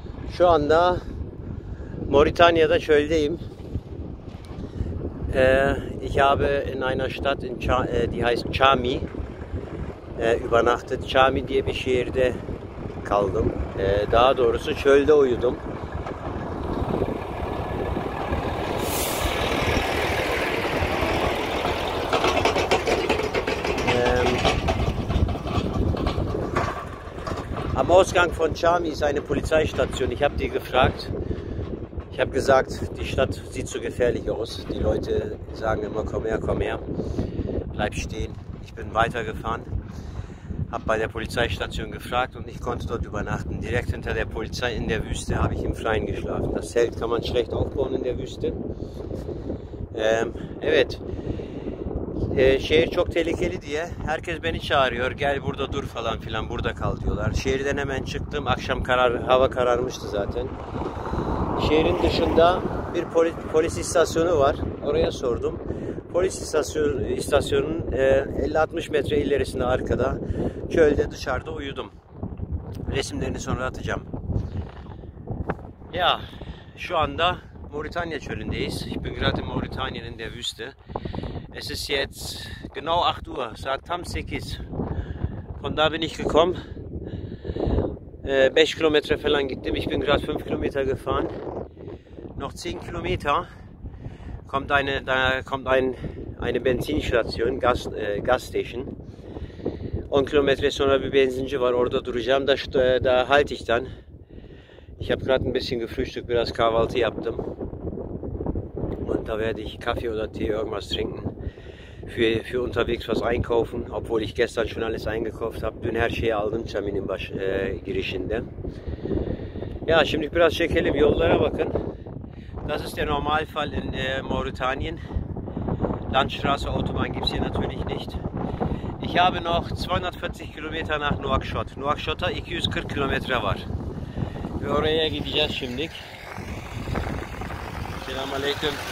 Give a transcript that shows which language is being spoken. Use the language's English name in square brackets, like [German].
[Turkish] Şu anda Mauritania'da çöldeyim. [German] Ich habe in einer Stadt in die heißt Chami übernachtet. [Turkish] Chami diye bir şehirde kaldım. Daha doğrusu çölde uyudum. [German] Am Ausgang von Chami ist eine Polizeistation. Ich habe die gefragt. Ich habe gesagt, die Stadt sieht zu gefährlich aus. Die Leute sagen immer, komm her, bleib stehen. Ich bin weitergefahren, habe bei der Polizeistation gefragt und ich konnte dort übernachten. Direkt hinter der Polizei in der Wüste habe ich im Freien geschlafen. Das Zelt kann man schlecht aufbauen in der Wüste. [Turkish] Evet. Şehir çok tehlikeli diye herkes beni çağırıyor, gel burada dur falan filan, burada kal diyorlar. Şehirden hemen çıktım, akşam hava kararmıştı zaten. Şehrin dışında bir polis istasyonu var, oraya sordum. Polis istasyonunun 50-60 metre ilerisinde arkada, çölde dışarıda uyudum. Resimlerini sonra atacağım. Ya, şu anda Mauritania çölündeyiz. [German] Ich bin gerade in Mauritania in der Wüste. Es ist jetzt genau 8 Uhr, [Turkish] saat tam 8. [German] Von da bin ich gekommen. [Turkish] 5 Kilometer falan gittim. [German] Ich bin gerade 5 Kilometer gefahren. Noch 10 Kilometer kommt eine, da kommt eine Benzinstation, Gasstation. [Turkish] 10 Kilometer sonra bir benzinci var, orada duracağım. [German] Da halte ich dann. Ich habe gerade ein bisschen gefrühstückt, [Turkish] biraz kahvaltı yaptım. [German] Und da werde ich Kaffee oder Tee irgendwas trinken. Für unterwegs was einkaufen, obwohl ich gestern schon alles eingekauft habe. [Turkish] Dün her şeyi aldım Chami'nin girişinde. Ja, şimdi biraz çekelim, yollara bakın. [German] Das ist der Normalfall in Mauritanien. Landstraße, Autobahn gibt es hier natürlich nicht. Ich habe noch 240 Kilometer nach Nouakchott. [Turkish] Nouakchott'a 240 Kilometer var. Ve oraya gideceğiz şimdi. Selamun Aleyküm.